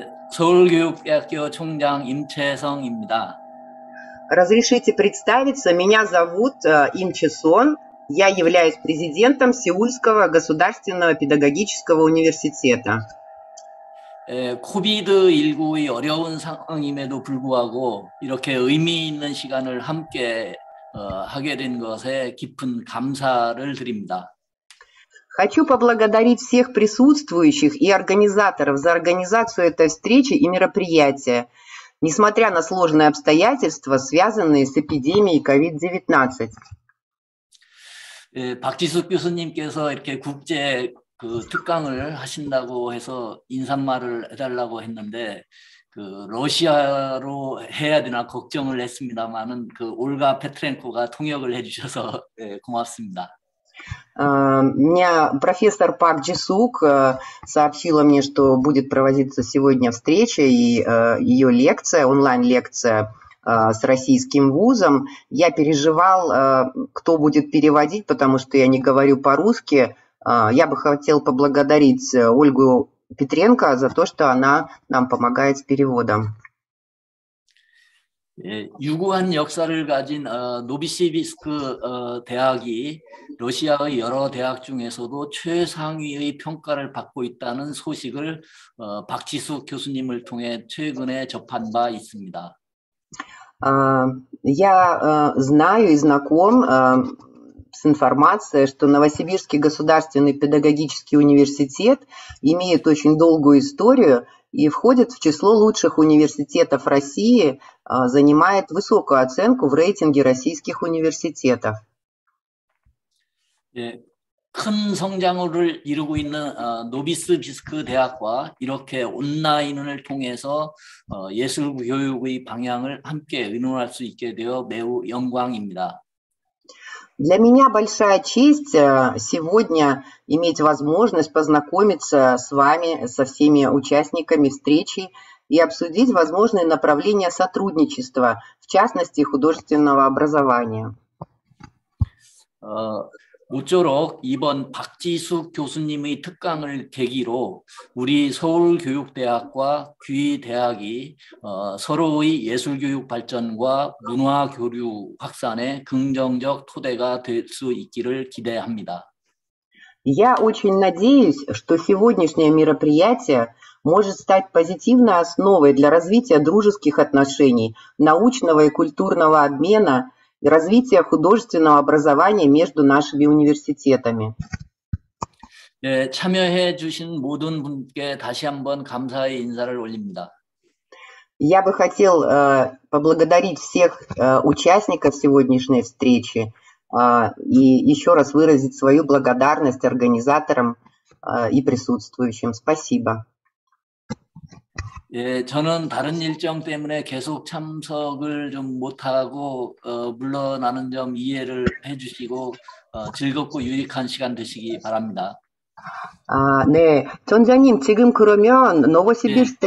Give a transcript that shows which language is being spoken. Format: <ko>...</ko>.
<ko>서울교육대학교 총장 임채성입니다.</ko> <ru>Разрешите представиться, меня зовут Ин Чесон, я являюсь президентом Сеульского государственного педагогического университета.</ru> <ko>코비드19의 어려운 상황임에도 불구하고 이렇게 의미 있는 시간을 함께 하게 된 것에 깊은 감사를 드립니다.</ko> <ru>Хочу поблагодарить всех присутствующих и организаторов за организацию этой встречи и мероприятия, несмотря на сложные обстоятельства, связанные с эпидемией COVID-19.</ru> <ko>박지숙 교수님께서 이렇게 국제 그 특강을 하신다고 해서 인사말을 해달라고 했는데 그 러시아로 해야 되나 걱정을 했습니다만은 그 올가 페트렌코가 통역을 해주셔서 네, 고맙습니다.</ko> <ru>Меня профессор Пак Джисук сообщила мне, что будет проводиться сегодня встреча и ее лекция, онлайн-лекция с российским вузом. Я переживал, кто будет переводить, потому что я не говорю по-русски. Я бы хотел поблагодарить Ольгу Петренко за то, что она нам помогает с переводом.</ru> <ko>예, 유구한 역사를 가진 노비시비스크 대학이 러시아의 여러 대학 중에서도 최상위의 평가를 받고 있다는 소식을 박지숙 교수님을 통해 최근에 접한 바 있습니다.</ko> <ru>Я знаю и знаком с информацией, что Новосибирский государственный педагогический университет имеет очень долгую историю и входит в число лучших университетов России, занимает высокую оценку в рейтинге российских университетов.</ru> <ko>예, 큰 성장을 이루고 있는 노비스비스크 대학과 이렇게 온라인을 통해서 예술 교육의 방향을 함께 의논할 수 있게 되어 매우 영광입니다.</ko> <ru>Для меня большая честь сегодня иметь возможность познакомиться с вами, со всеми участниками встречи и обсудить возможные направления сотрудничества, в частности художественного образования.</ru> <ko>모쪼록 이번 박지숙 교수님의 특강을 계기로 우리 서울교육대학과 귀대학이 서로의 예술교육 발전과 문화교류 확산에 긍정적 토대가 될 수 있기를 기대합니다.</ko> <ru>Я очень надеюсь, что сегодняшнее мероприятие может стать позитивной основой для развития дружеских отношений, научного и культурного обмена и развития художественного образования между нашими университетами.</ru> <ko>네, 참여해 주신 모든 분께 다시 한번 감사의 인사를 올립니다.</ko> <ru>Я бы хотел поблагодарить всех участников сегодняшней встречи и еще раз выразить свою благодарность организаторам и присутствующим. Спасибо.</ru> <ko>예, 저는 다른 일정 때문에 계속 참석을 좀 못하고 물러나는 점 이해를 해주시고 즐겁고 유익한 시간 되시기 바랍니다. 아, 네, 전장님 지금 그러면 노보시비스 예.</ko>